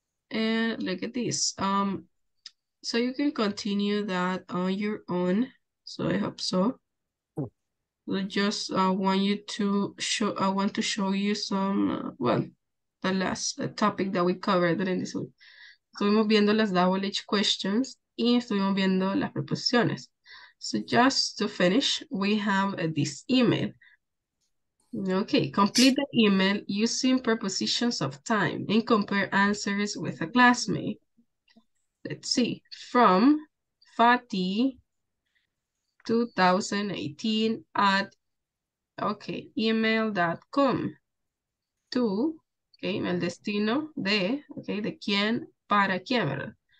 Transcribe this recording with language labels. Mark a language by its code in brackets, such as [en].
[en] And look at this. So you can continue that on your own. So I hope so. I just want you to show, I want to show you some, well, the last topic that we covered during this week. [es] Estuvimos viendo las WH questions y estuvimos viendo las preposiciones. [en] So just to finish, we have this email. Okay, complete the email using prepositions of time and compare answers with a classmate. Let's see. From Fatih 2018 at email.com to [es] el destino de de quién para quién, ¿verdad?